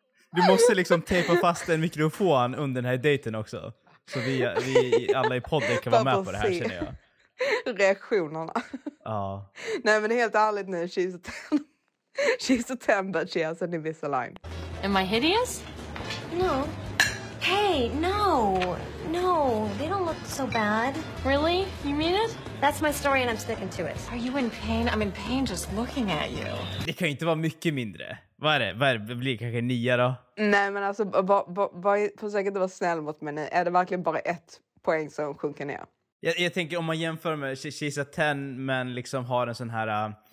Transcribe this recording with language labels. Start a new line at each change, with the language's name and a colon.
Swedish: Du måste liksom tejpa fast en mikrofon under den här dejten också. Så vi alla i podden kan vara med på det här, känner jag. Reaktionerna. Ja. Nej, men helt ärligt nu.
English: She's a 10, but she has an Invisalign. Am I hideous? No. Hey, no. No, they don't look so bad. Really? You mean it? That's my story and I'm sticking to it. Are you in pain? I'm in pain just looking at you.
Swedish: Det kan ju inte vara mycket mindre. Vad är det? Blir det kanske 9 då? Nej, men alltså, försök inte vara snäll mot mig nu. Är det verkligen bara ett poäng som sjunker ner? Jag tänker om man jämför med
English: She's a 10,
Swedish: men liksom har en sån här...